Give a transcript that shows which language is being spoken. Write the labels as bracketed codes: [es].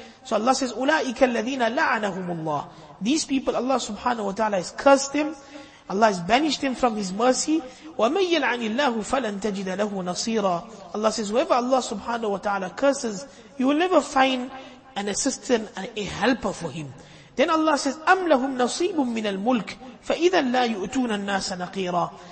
[en] So Allah says, [ar] أُولَٰئِكَ الَّذِينَ لَعَنَهُمُ اللَّهُ. [en] These people, Allah subhanahu wa ta'ala has cursed them. Allah has banished them from His mercy. [ar] وَمَنْ يَلْعَنِ اللَّهُ فَلَنْ تَجِدَ لَهُ نَصِيرًا. [en] Allah says, whoever Allah subhanahu wa ta'ala curses, you will never find an assistant and a helper for him. Then Allah says, [ar] أَمْ لَهُمْ نَصِيبٌ مِّنَ الْمُلْكِ فَإِذَا لَا يُؤْتُونَ النَّاسَ نَقِيرًا.